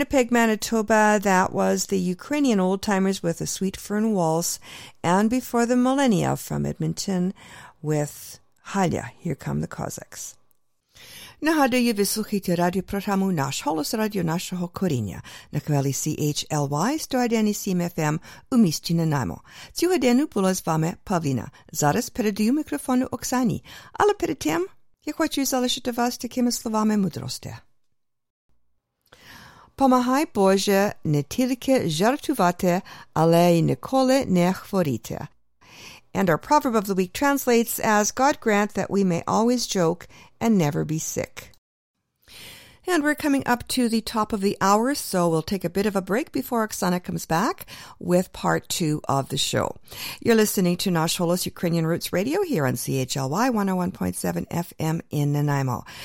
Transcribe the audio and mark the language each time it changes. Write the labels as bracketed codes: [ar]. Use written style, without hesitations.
[en] Manitoba, that was the Ukrainian Old Timers with a Sweet Fern Waltz, and before the Millennia from Edmonton with Halya, Here Come the Cossacks. [uk] Нагадую, ви слухаєте радіопрограму «Наш голос» радіо нашого коріння на хвилі CHLY 101.7 FM у місті Нанаймо. Цю годину була з вами Павліна. Зараз передаю мікрофон Оксані, але перед тим я хочу залишити вас такими словами мудрості. Помагай, Боже, не тільки жартувати, але й ніколи не хворіти. [en] And our proverb of the week translates as, God grant that we may always joke and never be sick. And we're coming up to the top of the hour, so we'll take a bit of a break before Oksana comes back with part two of the show. You're listening to Nash Holos Ukrainian Roots Radio here on CHLY 101.7 FM in Nanaimo.